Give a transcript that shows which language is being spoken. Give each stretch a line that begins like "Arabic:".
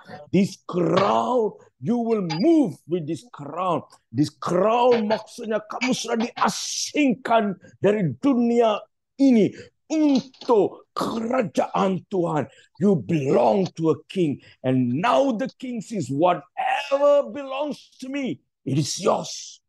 English: This crown, you will move with this crown. This crown
Indonesian: maksudnya kamu sudah diasingkan dari dunia ini untuk kerajaan Tuhan.
English: You belong to a king. And now the king says, whatever belongs to me, it is yours.